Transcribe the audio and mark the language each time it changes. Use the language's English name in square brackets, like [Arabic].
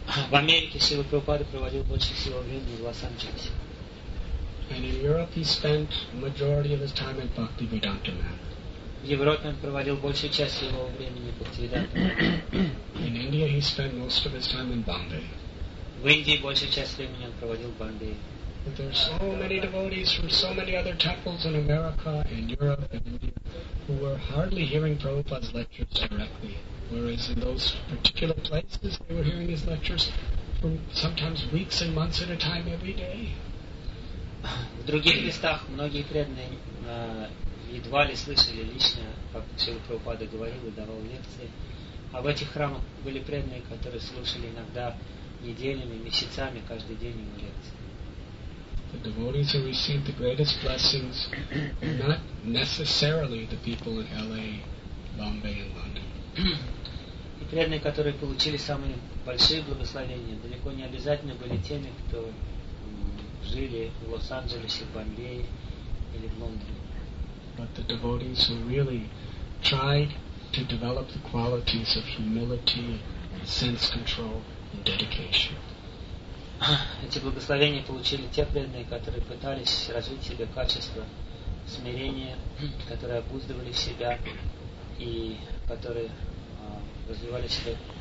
[Russian] В Америке Шрила Прабхупада проводил больше всего времени в Лос-Анджелесе. [English] And in Europe, he spent majority of his time in Bhakti Vedanta Math. [Russian] В Европе он проводил большую часть своего времени в Бхактивиданте. В Индии большую часть времени он проводил в Бомбее. [English] But there are so many devotees from so many other temples in America and Europe and India who were hardly hearing Prabhupada's lectures directly. Whereas in those particular places, they were hearing his lectures for sometimes weeks and months at a time every day. [Russian] В других местах многие преданные едва ли слышали лично, как Шрила Прабхупада говорил и давал лекции. А в этих храмах были преданные, которые слушали иногда неделями, месяцами, каждый день его лекции. [English] The devotees who received the greatest blessings were not necessarily the people in LA, Bombay, and London. [Russian] И преданные, которые получили самые большие благословения, далеко не обязательно были теми, кто жили в Лос-Анджелесе, Бомбее или в Лондоне. [English] But the devotees who really tried to develop the qualities of humility, sense control, and dedication. [Russian] Эти благословения получили те преданные, которые пытались развить себе качество смирения, которые обуздывали себя и которые развивали себе